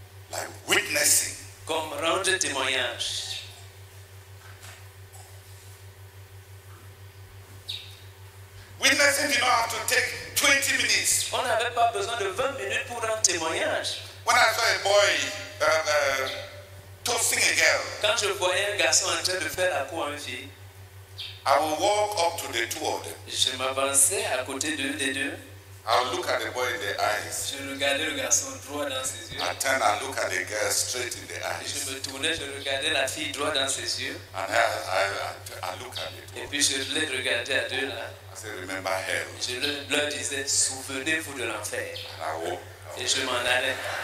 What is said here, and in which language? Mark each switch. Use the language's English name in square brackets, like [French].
[English] Like witnessing. [French] Comme rendre témoignage. [English] Witnessing did not have to take 20 minutes. [French] On n'avait pas besoin de 20 minutes pour un témoignage. [English] When I saw a boy toasting a girl. [French] Quand je voyais un garçon en train de faire la cour à une fille. [English] I will walk up to the two of them. [French] Je m'avançais à côté d'eux des deux. [English] I will look at the boy in the eyes. [French] Je regardais le garçon droit dans ses yeux. [English] I turn and look at the girl straight in the eyes. [French] Je me tournais, je regardais la fille droit dans ses yeux. [English] And I look at it. [French] Et puis je les regardais à deux là. [English] I said, remember hell. [French] Je leur disais, souvenez-vous de l'enfer. [English] And I walked. [French] Et je m'en allais.